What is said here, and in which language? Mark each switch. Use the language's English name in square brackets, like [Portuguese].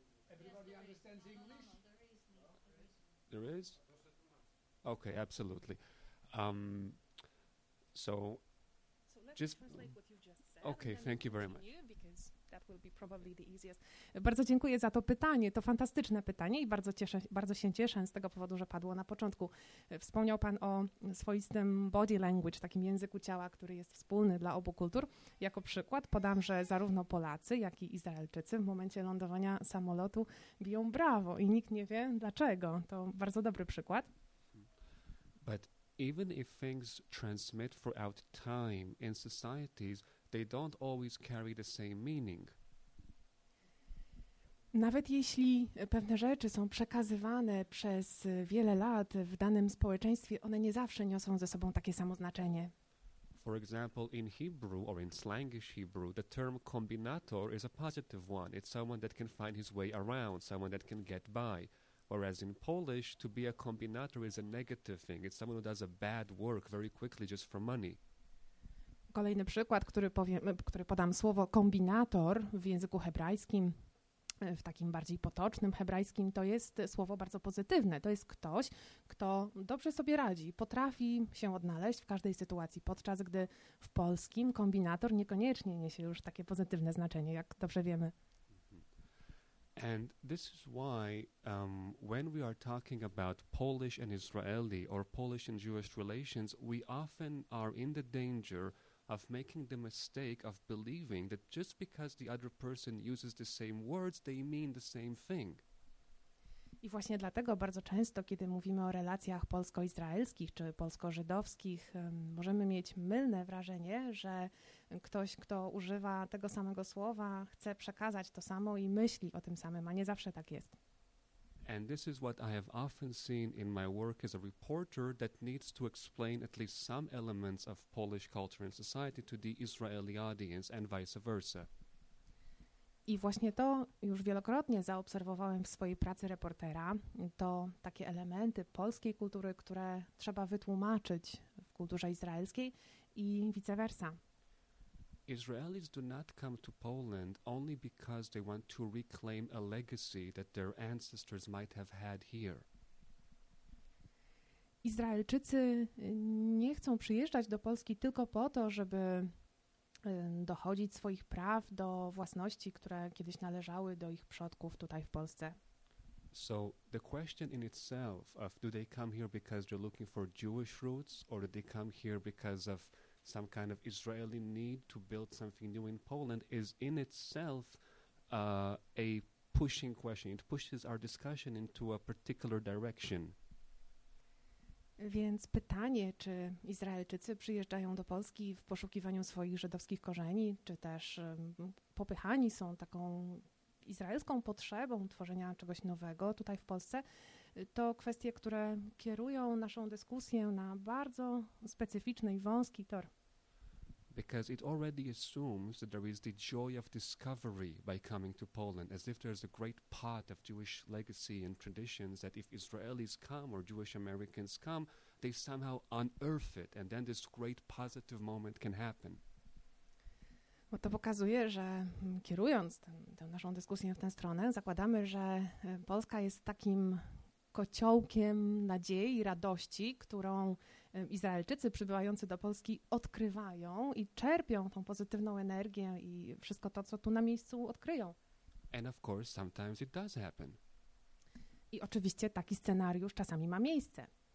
[English] Everybody understands English? There is? Okay, absolutely. Let's translate what you just said. Okay, thank you very much. That will be probably the easiest. [Polish] Bardzo dziękuję za to pytanie. To fantastyczne pytanie i bardzo się cieszę z tego powodu, że padło na początku. Wspomniał pan o swoistym body language, takim języku ciała, który jest wspólny dla obu kultur. Jako przykład podam, że zarówno Polacy, jak i Izraelczycy w momencie lądowania samolotu biją brawo i nikt nie wie dlaczego. To bardzo dobry przykład. [English] But even if things transmit throughout time in societies, they don't always carry the same meaning. [Polish] Nawet jeśli pewne rzeczy są przekazywane przez wiele lat w danym społeczeństwie, one nie zawsze niosą ze sobą takie samo znaczenie. [English] For example, in Hebrew or in slangish Hebrew, the term combinator is a positive one. It's someone that can find his way around, someone that can get by. Whereas in Polish, to be a combinator is a negative thing. It's someone who does a bad work very quickly just for money. [Polish] Kolejny przykład, który podam, słowo kombinator w języku hebrajskim, w takim bardziej potocznym hebrajskim, to jest słowo bardzo pozytywne. To jest ktoś, kto dobrze sobie radzi, potrafi się odnaleźć w każdej sytuacji, podczas gdy w polskim kombinator niekoniecznie niesie już takie pozytywne znaczenie, jak dobrze wiemy. [English] And this is why when we are talking about Polish and Israeli or Polish and Jewish relations, we often are in the danger of making the mistake of believing that just because the other person uses the same words, they mean the same thing. [Polish] I właśnie dlatego bardzo często, kiedy mówimy o relacjach polsko-izraelskich czy polsko-żydowskich, możemy mieć mylne wrażenie, że ktoś, kto używa tego samego słowa, chce przekazać to samo i myśli o tym samym, a nie zawsze tak jest. [English] And this is what I have often seen in my work as a reporter that needs to explain at least some elements of Polish culture and society to the Israeli audience and vice versa. [Polish] I właśnie to już wielokrotnie zaobserwowałem w swojej pracy reportera. To takie elementy polskiej kultury, które trzeba wytłumaczyć w kulturze izraelskiej i vice versa. [English] Israelis do not come to Poland only because they want to reclaim a legacy that their ancestors might have had here. [Polish] Izraelczycy nie chcą przyjeżdżać do Polski tylko po to, żeby dochodzić swoich praw do własności, które kiedyś należały do ich przodków tutaj w Polsce. [English] So the question in itself of do they come here because they're looking for Jewish roots or do they come here because of some kind of Israeli need to build something new in Poland is in itself a pushing question. It pushes our discussion into a particular direction. [Polish] Więc pytanie, czy Izraelczycy przyjeżdżają do Polski w poszukiwaniu swoich żydowskich korzeni, czy też popychani są taką izraelską potrzebą tworzenia czegoś nowego tutaj w Polsce, to kwestie, które kierują naszą dyskusję na bardzo specyficzny i wąski tor. [English] Because it already assumes that there is the joy of discovery by coming to Poland, as if there's a great pot of Jewish legacy and traditions that if Israelis come or Jewish Americans come, they somehow unearth it, and then this great positive moment can happen. [Polish] Bo to pokazuje, że kierując tę naszą dyskusję w tę stronę, zakładamy, że Polska jest takim kociołkiem nadziei, radości, którą Izraelczycy przybywający do Polski odkrywają i czerpią tą pozytywną energię i wszystko to, co tu na miejscu odkryją. [English] And of course, sometimes it does happen. [Polish] I oczywiście taki scenariusz czasami ma miejsce.